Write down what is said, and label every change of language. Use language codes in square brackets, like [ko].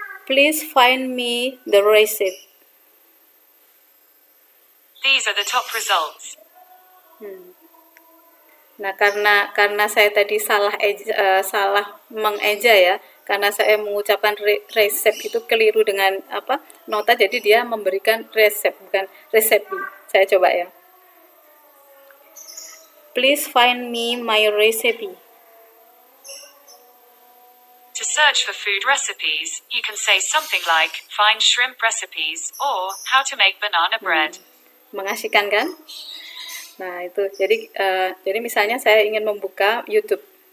[en] Please find me the recipe. These are the top results. [id] Nah karena saya tadi salah mengeja ya. Karena saya mengucapkan resep itu keliru dengan nota, jadi dia memberikan resep bukan resepi. Saya coba ya. [en] Please find me my recipe. To search for food recipes, you can say something like find shrimp recipes or how to make banana bread. [id] Mengasihkan kan? Nah, itu. Jadi misalnya saya ingin membuka YouTube.